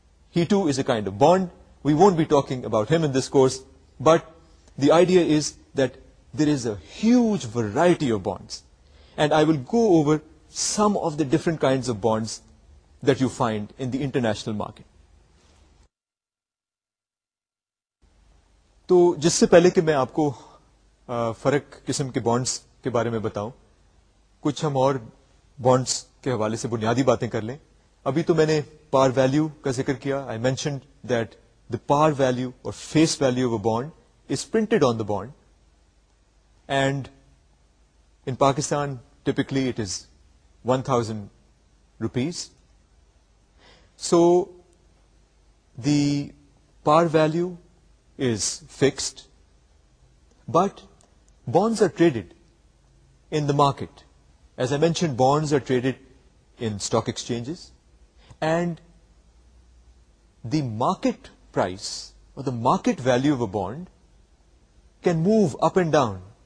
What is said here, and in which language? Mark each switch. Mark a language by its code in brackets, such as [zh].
[en] He too is a kind of bond. We won't be talking about him in this course, but the idea is that there is a huge variety of bonds. And I will go over some of the different kinds of bonds that you find in the international market. [ur] تو جس سے پہلے کہ میں آپ کو فرق قسم کے بانڈس کے بارے میں بتاؤں, کچھ ہم اور بانڈس کے حوالے سے بنیادی باتیں کر لیں. ابھی تو میں نے پار ویلو کا ذکر کیا. [en] I mentioned that the par value or face value of a bond is printed on the bond, and in Pakistan typically it is 1,000 rupees. So, the par value is fixed, but bonds are traded in the market. As I mentioned, bonds are traded in stock exchanges, and the market price or the market value of a bond can move up and down.